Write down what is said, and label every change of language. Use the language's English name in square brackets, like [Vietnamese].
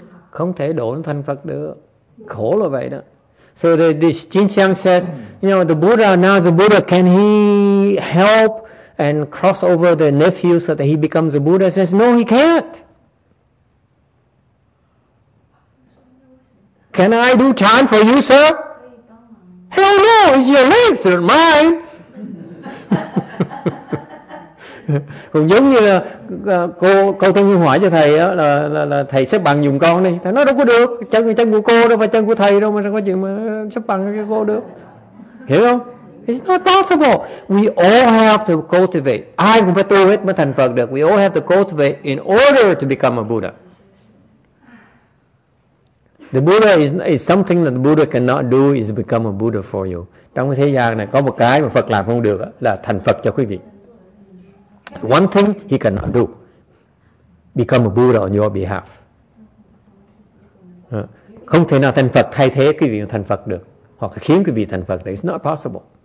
[Vietnamese] Không thể đổ nó thành Phật được. Khổ là vậy đó. [English] So the Jinxiang says, you know, the Buddha, now the Buddha, can he help and cross over the nephew so that he becomes a Buddha? He says, no, he can't. Can I do chant for you, sir? Hell no, it's your legs, not mine. [Vietnamese] Cũng giống như là cô tôi hỏi cho thầy đó, là thầy xếp bằng dùng con đi, thầy nói đâu có được, chân của cô đâu phải chân của thầy đâu mà sao có chuyện mà xếp bằng cho cô được, hiểu không? [English] It's not possible. We all have to cultivate. [Vietnamese] Ai cũng phải tu hết mới thành Phật được. [English] We all have to cultivate in order to become a Buddha. The Buddha is something that the Buddha cannot do is become a Buddha for you. [Vietnamese] Trong thế gian này có một cái mà Phật làm không được là thành Phật cho quý vị. [English] One thing he cannot do, become a Buddha on your behalf. [Vietnamese] Không thể nào thành Phật thay thế quý vị thành Phật được, hoặc khiến quý vị thành Phật được. [English] It's not possible.